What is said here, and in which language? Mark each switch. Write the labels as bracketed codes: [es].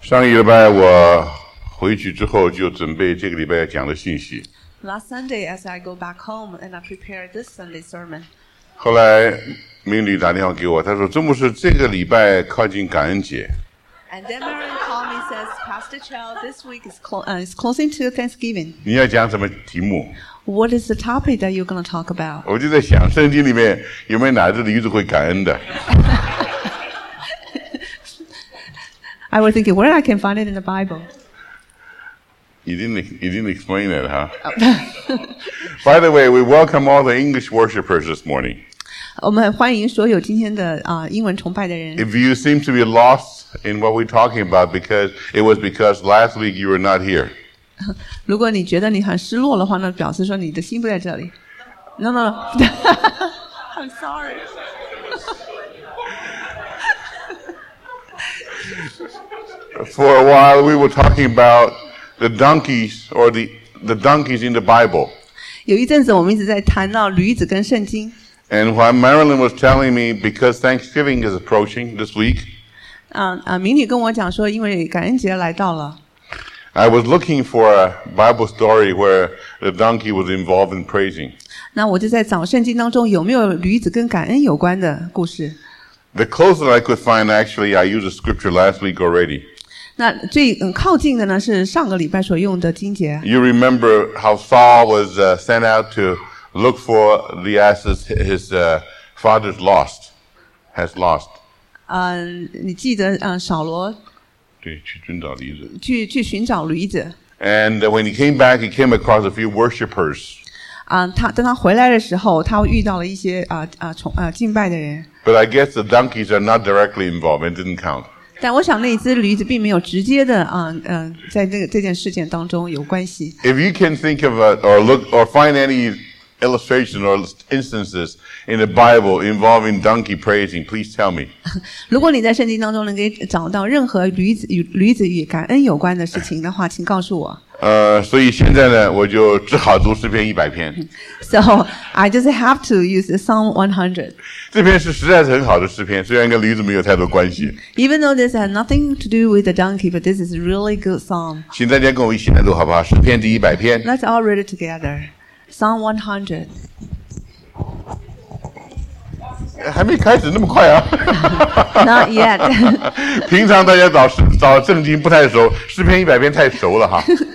[zh] 上个礼拜我回去之后就准备这个礼拜讲的信息。 [en] Last Sunday, as I go back home and I prepare this Sunday sermon. [zh] 后来明理打电话给我，他说：“曾牧师，这个礼拜靠近感恩节。” [en] And then Marin called me and says, Pastor Chow, this week is closing to Thanksgiving. [zh] 你要讲什么题目？ [en] What is the topic that you're going to talk about? [zh] 我就在想，圣经里面有没有哪只驴子会感恩的？ [en] I was thinking where I can find it in the Bible. You didn't explain it, huh? By the way, we welcome all the English worshippers this morning. [zh] 我们欢迎所有今天的英文崇拜的人。 [en] If you seem to be lost in what we're talking about, because it was because last week you were not here. [zh] 如果你觉得你很失落的话，那表示说你的心不在这里。 [en] No. I'm sorry. For a while, we were talking about the donkeys or the donkeys in the Bible. [zh] 有一阵子我们一直在谈到驴子跟圣经。 [en] And while Marilyn was telling me, because Thanksgiving is approaching this week, [zh] 明理跟我讲说，因为感恩节来到了。 [en] I was looking for a Bible story where the donkey was involved in praising. [zh] 那我就在找圣经当中有没有驴子跟感恩有关的故事。 [en] The closest I could find, actually, I used a scripture last week already. [zh] 那最靠近的呢是上个礼拜所用的经节。 [en] You remember how Saul was sent out to look for the asses his father's lost, has lost. [zh] 你记得扫罗？对，去寻找驴子。去寻找驴子。 [en] And when he came back, he came across a few worshippers. [zh] 当他回来的时候，他遇到了一些敬拜的人。 [en] But I guess the donkeys are not directly involved and didn't count. [zh] 但我想那只驴子并没有直接的在这件事件当中有关系。 [en] If you can think of or find any illustration or instances in the Bible involving donkey praising, please tell me. [zh] 如果你在圣经当中能给找到任何驴子与感恩有关的事情的话，请告诉我。所以现在呢，我就只好读诗篇100篇。 [en] So I just have to use the Psalm 100. [zh] 这篇是实在是很好的诗篇，虽然跟驴子没有太多关系。 [en] Even though this has nothing to do with the donkey, but this is a really good psalm. [zh] 请大家跟我一起来读好不好？诗篇第100篇。 [en] Let's all read it together. Psalm 100. [zh] 还没开始那么快啊。 [en] Not yet. [zh] 平常大家找圣经不太熟，诗篇100篇太熟了哈。